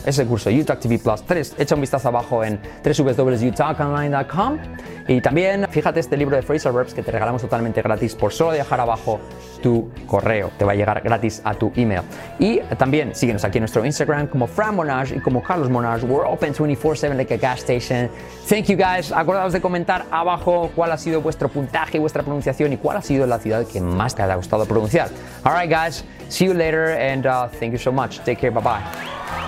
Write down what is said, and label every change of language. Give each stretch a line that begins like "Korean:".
Spanish: Es el curso UTalk TV Plus 3. Echa un vistazo abajo en www.utalkonline.com. Y también fíjate este libro de Phrasal Verbs que te regalamos totalmente gratis por solo dejar abajo tu correo. Te va a llegar gratis a tu email. Y también síguenos aquí en nuestro Instagram como Fran Monage y como Carlos Monage.
English: We're open 24/7 like a gas station. Thank you guys.
Spanish: Acordaos de comentar abajo cuál ha sido vuestro puntaje, vuestra pronunciación y cuál ha sido la ciudad que más te ha gustado pronunciar.
English: All right, guys. See you later, and thank you so much. Take care. Bye-bye.